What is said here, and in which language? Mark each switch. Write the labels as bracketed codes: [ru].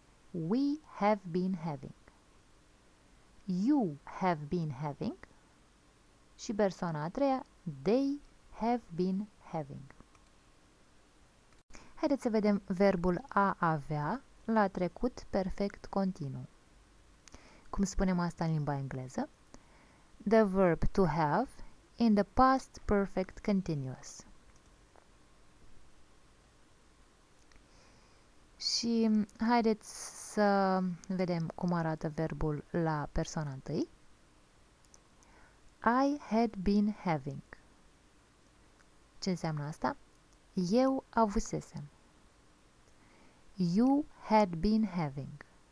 [en] We have been having. You have been having. [ro] Și persoana a treia. [en] They have been having. [ro] Haideți să vedem verbul a avea la trecut perfect continuu. Cum spunem asta în limba engleză? [en] The verb to have in the past perfect continuous. [ro] Și haideți să vedem cum arată verbul la persoana întâi. [en] I had been having. [ro] Ce înseamnă asta? Eu avusesem. [en] You had been having.